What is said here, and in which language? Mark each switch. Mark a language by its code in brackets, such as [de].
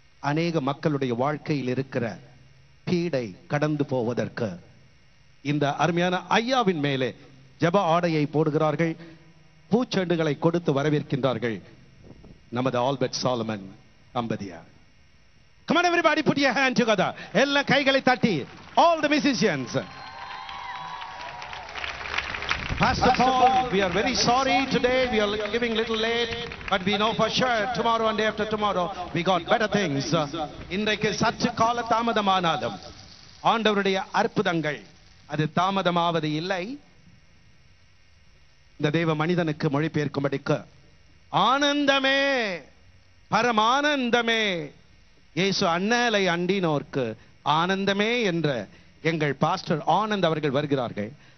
[ta] அநேக மக்களுடைய வாழ்க்கையில் இருக்கிற பீடை கடந்து போவதற்கு இந்த அருமையான ஐயாவின் மேலே ஜப ஆடையை போடுகிறார்கள். பூச்செண்டுகளை கொடுத்து வரவேற்கின்றார்கள் நமது Albert Solomon தம்பதியார். [en] Come on everybody, put your hand together. [ta] எல்லா கைகளை தட்டி. [en] All the musicians. Pastor Paul, we are very sorry today. We are giving little late. But we know for sure, tomorrow and day after tomorrow, we got better things. [ta] இன்றைக்கு சற்று கால தாமதமானாலும் ஆண்டவருடைய அற்புதங்கள் அது தாமதமாவது இல்லை. இந்த தெய்வ மனிதனுக்கு மொழிபெயர்க்கும்படிக்கு ஆனந்தமே பரமானந்தமே இயேசு அண்ணலை அண்டினோர்க்கு ஆனந்தமே என்ற எங்கள் பாஸ்டர் ஆனந்த் அவர்கள் வருகிறார்கள்.